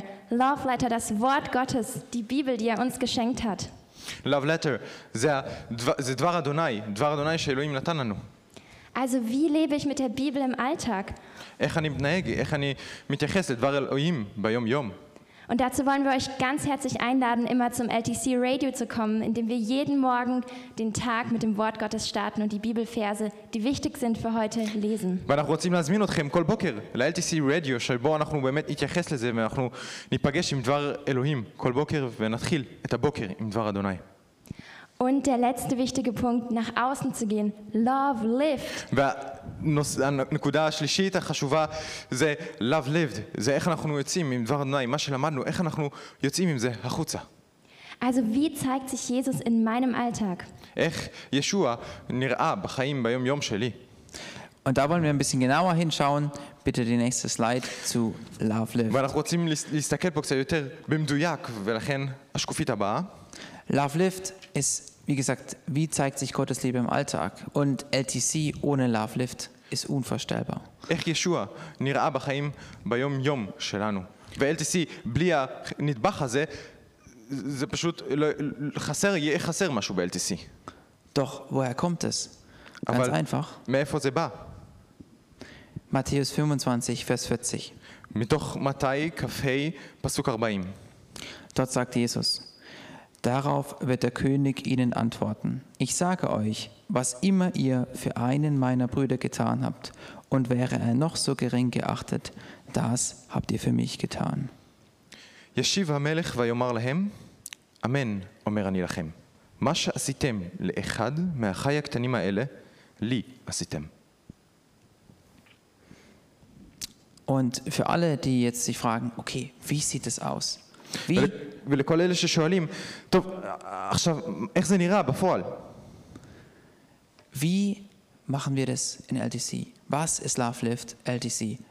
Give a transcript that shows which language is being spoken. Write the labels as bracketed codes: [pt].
[de] Love letter, das Wort Gottes, die Bibel, die er uns geschenkt hat. [he] Love letter, זה דבר אדוני שאלוהים נתן לנו. [de] Also wie lebe ich mit der Bibel im Alltag? [he] איך אני מתנהג, איך אני מתייחס לדבר אלוהים ביום יום? [de] Und dazu wollen wir euch ganz herzlich einladen, immer zum LTC Radio zu kommen, indem wir jeden Morgen den Tag mit dem Wort Gottes starten und die Bibelverse, die wichtig sind für heute, lesen. [he] ואנחנו רוצים להזמין אתכם כל בוקר ל-LTC Radio, שבו אנחנו באמת נתייחס לזה, ואנחנו ניפגש עם דבר אלוהים כל בוקר, ונתחיל את הבוקר עם דבר אדוני. [de] Und der letzte wichtige Punkt, nach außen zu gehen, love lived. [he] והנקודה השלישית החשובה זה love lived, זה איך אנחנו יוצאים עם דבר אדוני, מה שלמדנו, איך אנחנו יוצאים עם זה החוצה. [de] Also wie zeigt sich Jesus in meinem Alltag? [he] איך ישוע נראה בחיים ביום יום שלי. [de] Und da wollen wir ein bisschen genauer hinschauen, bitte die nächste Slide zu love lived. [he] ואנחנו רוצים להסתכל פה קצת יותר במדויק, ולכן השקופית הבאה. [de] Love lived ist, wie gesagt, wie zeigt sich Gottes Liebe im Alltag? Und LTC ohne Love lived ist unvorstellbar. [he] איך ישוע נראה בחיים ביום יום שלנו? ו-LTC בלי הנדבך הזה, זה פשוט חסר משהו ב-LTC. [de] Doch, woher kommt es? Ganz einfach. [he] מאיפה זה בא? [de] Matthäus 25, Vers 40. [he] מתוך מתי כ"ה, פסוק 40. [de] Dort sagt Jesus, Darauf wird der König ihnen antworten. Ich sage euch, was immer ihr für einen meiner Brüder getan habt, und wäre er noch so gering geachtet, das habt ihr für mich getan. [he] Yeshiva Melech va yomar lahem, Amen, omer ani lachem. מה שעשיתם לאחד מהחי הקטנים האלה, לי עשיתם. [de] Und für alle, die jetzt sich fragen, okay, wie sieht es aus? Wie machen wir das in LTC? Was ist Love Lift LTC?